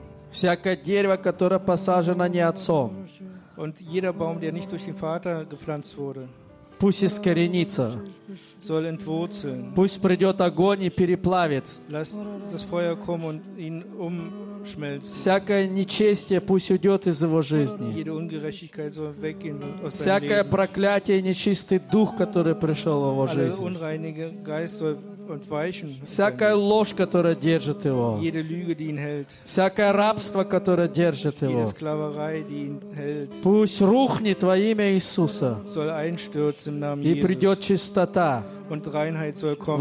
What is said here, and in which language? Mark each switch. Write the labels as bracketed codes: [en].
[ru] Всякое дерево, которое посажено не отцом, [de] und jeder Baum, der nicht durch den Vater gepflanzt wurde, [ru] пусть искоренится, [de] soll entwurzeln. [ru] Пусть придет огонь и переплавит. [de] Lass das Feuer kommen und ihn umschmelzen. [ru] Всякое нечестие пусть уйдет из его жизни. [de] Jede Ungerechtigkeit soll weggehen aus seinem Leben. [ru] Всякое проклятие и нечистый дух, который пришел в его жизнь. [de] Alle unreinige Geist soll entweichen. [ru] Всякая ложь, которая держит его. [de] Jede Lüge, die ihn hält. [ru] Всякое рабство, которое держит его. [de] Jede Sklaverei, die ihn hält. [ru] Пусть рухнет во имя Иисуса. [de] Soll einstürzen im Namen [ru] Jesus. И придет чистота. [de] Und Reinheit soll kommen.